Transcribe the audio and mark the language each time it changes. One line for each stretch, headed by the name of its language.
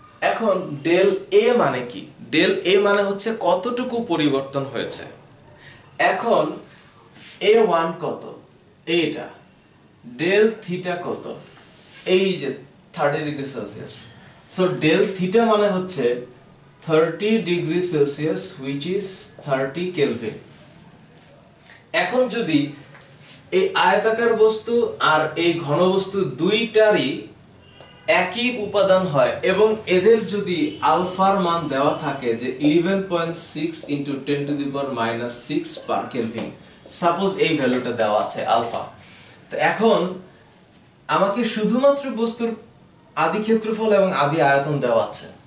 Bangla: এখন ডেল এ মানে কি? ডেল এ মানে হচ্ছে কতটুকু পরিবর্তন হয়েছে। এখন A1 কত, এটা ডেল থিটা কত, এই যে 30 degree Celsius,
English: So del theta
Bangla: মানে হচ্ছে
English: 30 degree Celsius, which is 30 Kelvin.
Bangla: এখন যদি এই আয়তাকার বস্তু আর এই ঘন বস্তু দুইটারই একই উপাদান হয় এবং এদের যদি আলফার মান দেওয়া থাকে যে 11.6 into 10 to the power minus 6 per Kelvin, suppose এই ভ্যালুটা দেওয়া আছে আলফা, তো এখন আমাকে শুধুমাত্র বস্তুর আদি ক্ষেত্রফল এবং আদি আয়তন দেওয়া আছে।